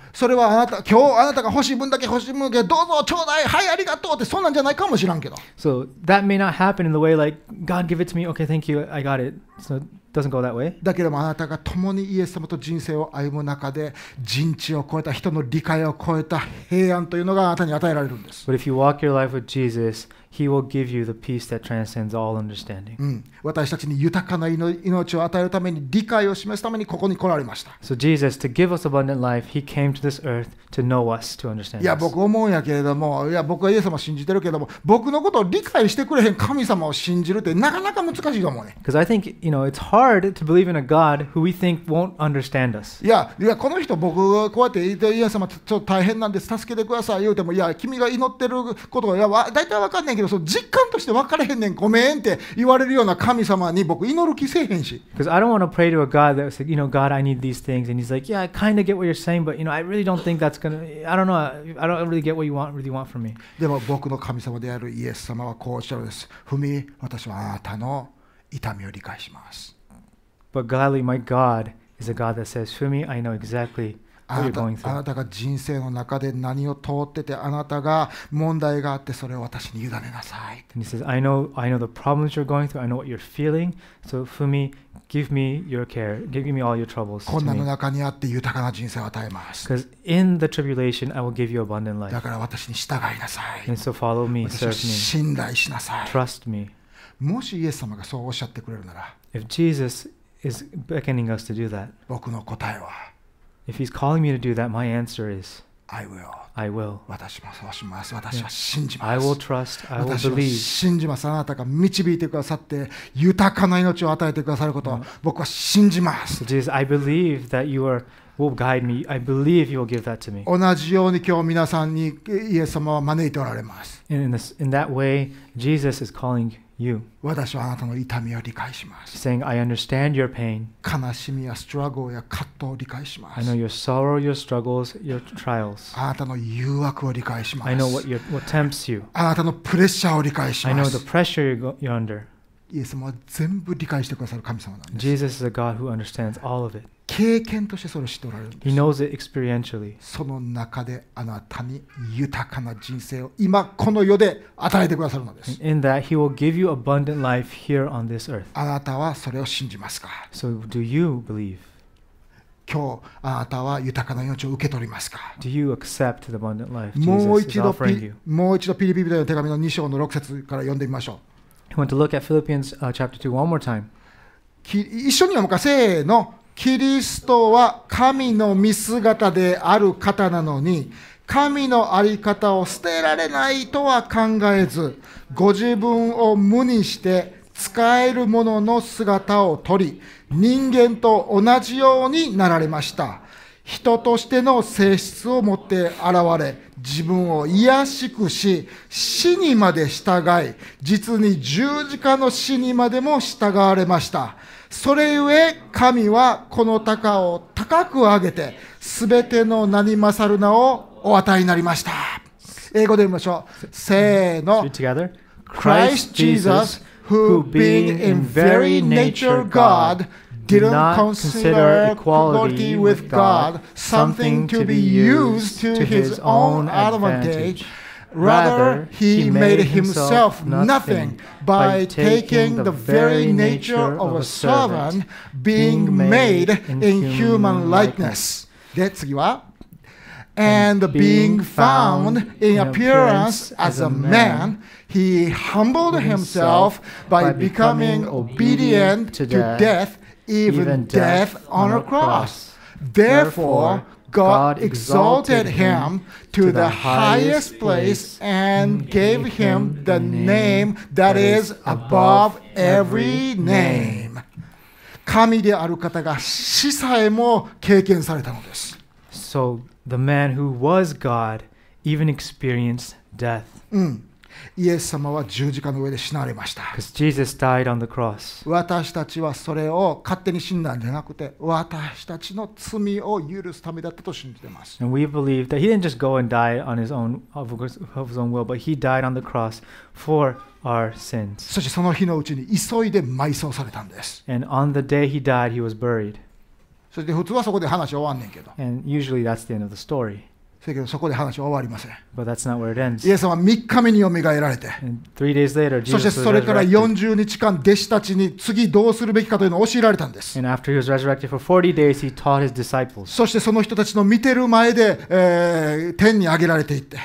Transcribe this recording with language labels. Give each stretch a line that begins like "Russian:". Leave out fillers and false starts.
Japanese: それはあなた今日あなたが欲しい分だけ欲しい分だけどうぞちょうだいはいありがとうってそんなんじゃないかもしらんけど
English: So that may not happen in the way like God give it to me okay thank you I got it So doesn't go that way.
Japanese: だけどもあなたが共にイエス様と人生を歩む中で人知を超えた人の理解を超えた平安というのがあなたに与えられるんです。
English: But if you walk your life with Jesus, He will give you the peace that transcends all understanding.
Japanese: 私たちに豊かな命を与えるために理解を示すためにここに来られました。
English: So Jesus, to give us abundant life, He came to this earth to know us, to understand us.
Japanese: いや僕思うんやけれども、いや僕はイエス様を信じてるけれども、僕のことを理解してくれへん神様を信じるってなかなか難しいと思うね。
English: Because I think, you know, it's hard to believe in a God who we think won't understand us.
Japanese: いやいやこの人僕こうやってイエス様ちょっと大変なんです助けてください言うてもいや君が祈ってることはいやわ大体わかんねんけど実感として分からへんねんごめんって言われるような神様に僕祈る気せえへんし。
English: Because I don't want to pray to a God that's like, you know, God, I need these things, and He's like, yeah, I kind of get what you're saying, but you know, I really don't think that's gonna, I don't know, I don't really get what you want, really want from me.
Japanese: でも僕の神様であるイエス様はこうおっしゃるんです。ふみ、私はあなたの痛みを理解します。
English: But gladly, my God is a God that says, ふみ, I know exactly.
Japanese: あなたが人生の中で何を通っててあなたが問題があってそれを私に委ねなさい。
English: And he says, I know the problems you're going through. I know what you're feeling. So Fumi, give me your care. Give me all your troubles.
Japanese: 困難の中にあって豊かな人生を与えます。
English: Because in the tribulation, I will give you abundant life.
Japanese: だから私に従いなさい。
English: And so follow me, serve me.
Japanese: 私を信頼しなさい。
English: Trust me.
Japanese: もしイエス様がそうおっしゃってくれるなら、
English: If Jesus is beckoning us to do that,
Japanese: 僕の答えは。
English: If he's calling me to do that, my answer is, I will. I will.
Japanese: 私もそうします。私は信じます。
English: I will trust. I will believe.
Japanese: 私は信じます。あなたが導いてくださって豊かな命を与えてくださることを僕は信じます。
English: Jesus, I believe that you are. Will guide me. I believe you will give that to me.
Japanese: 同じように今日皆さんにイエス様は招いておられます。
English: In that way, Jesus is calling you.
Japanese: 私はあなたの痛みを理解します。
English: Saying, I understand your pain.
Japanese: 悲しみやストラッグや葛藤を理解します。
English: I know your sorrow, your struggles, your trials.
Japanese: あなたの誘惑を理解します。
English: I know what tempts you.
Japanese: あなたのプレッシャーを理解します。
English: I know the pressure you're under.
Japanese: イエス様は全部理解してくださる神様なんです。
English: Jesus is a God who understands all of it.
Japanese: 経験としてそれを知っておられるんです。
English: He knows it experientially.
Japanese: その中であなたに豊かな人生を今この世で与えてくださるのです。
English: In that, He will give you abundant life here on this earth.
Japanese: あなたはそれを信じますか?
English: So do you believe?
Japanese: 今日あなたは豊かな命を受け取りますか?
English: Do you accept the abundant life Jesus is offering you?
Japanese: もう一度ピリピ人への手紙の2章の6節から読んでみましょう。
English: I want to look at Philippians chapter 2 one more time.
Japanese: 一緒に読むか、せーの。キリストは神の御姿である方なのに神の在り方を捨てられないとは考えずご自分を無にして使えるものの姿を取り人間と同じようになられました人としての性質を持って現れ自分を卑しくし死にまで従い実に十字架の死にまでも従われましたそれゆえ神はこの高を高く上げてすべての名に勝る名をお与えになりました。英語で読みましょう。せーの。
English: Christ Jesus, who being in very nature God, did not consider equality with God something to be used to his own advantage. Rather, he made himself nothing by taking the very nature of a servant, being made in human likeness.
Japanese: で、次は?
English: And being found in appearance as a man, he humbled himself by becoming obedient to death, even death on a cross. Therefore,God exalted him to the highest place and gave him the name that is above every name.
Japanese: 神である方が死さえも経験されたのです。
English: So the man who was God even experienced death.
Japanese: イエス様は十字架の上で死なれました。
English: Because Jesus died on the cross.
Japanese: 私たちはそれを勝手に死んだんじゃなくて、私たちの罪を許すためだったと信じています。
English: And we believe that he didn't just go and die on his own of his own will, but he died on the cross for our sins.
Japanese: そしてその日のうちに急いで埋葬されたんです。
English: And on the day he died, he was buried.
Japanese: そして普通はそこで話終わんねんけど。
English: And usually that's the end of the story.
Japanese: せけどそこで話は終わりません。
English: But that's not where it ends.
Japanese: イエス様は3日目によみがえられて、
English: 3 days later,
Japanese: そしてそれから40日間弟子たちに次どうするべきかというのを教えられたんです。
English: And after he was resurrected for 40 days, he taught his disciples.
Japanese: そしてその人たちの見てる前で、天に上げられていって、